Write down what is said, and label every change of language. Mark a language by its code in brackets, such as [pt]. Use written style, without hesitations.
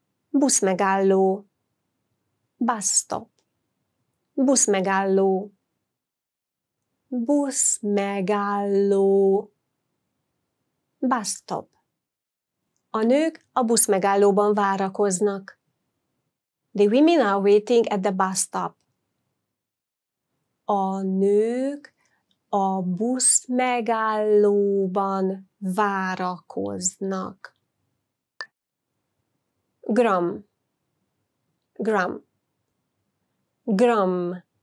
[hu] Buszmegálló. Bus stop. Buszmegálló. Buszmegálló. Bus stop. A nők a buszmegállóban várakoznak. [en] The women are waiting at the bus stop. [hu] A nők a buszmegállóban várakoznak. Gram. Gram. Gram.